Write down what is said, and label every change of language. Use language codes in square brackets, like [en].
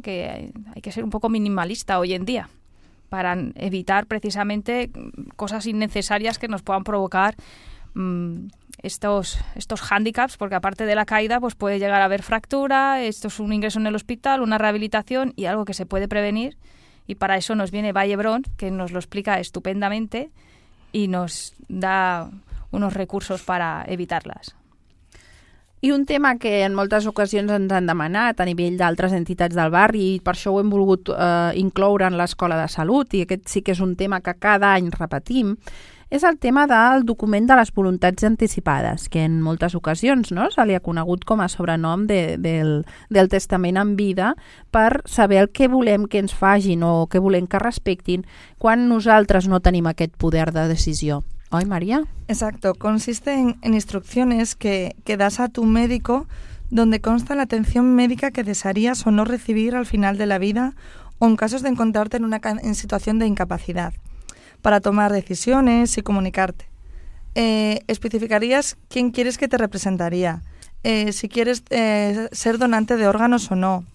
[es] Que hay que ser un poco minimalista hoy en día para evitar precisamente cosas innecesarias que nos puedan provocar estos hándicaps, porque aparte de la caída pues puede llegar a haber fractura, esto es un ingreso en el hospital, una rehabilitación y algo que se puede prevenir, y para eso nos viene Vallebrón, que nos lo explica estupendamente y nos da unos recursos para evitarlas. [ca] I un tema que en moltes ocasions ens han demanat a nivell d'altres entitats del barri i per això ho hem volgut incloure en l'Escola de Salut, i aquest sí que és un tema que cada any repetim, és el tema del document de les voluntats anticipades, que en moltes ocasions no se li ha conegut com a sobrenom del testament en vida, per saber el que volem que ens facin o què volem que respectin quan nosaltres no tenim aquest poder de decisió. [es] ¿Oye, María? Exacto. Consiste en instrucciones que das a tu médico donde consta la atención médica que desearías o no recibir al final de la vida o en casos de encontrarte en situación de incapacidad para tomar decisiones y comunicarte. Especificarías quién quieres que te representaría, si quieres ser donante de órganos o no.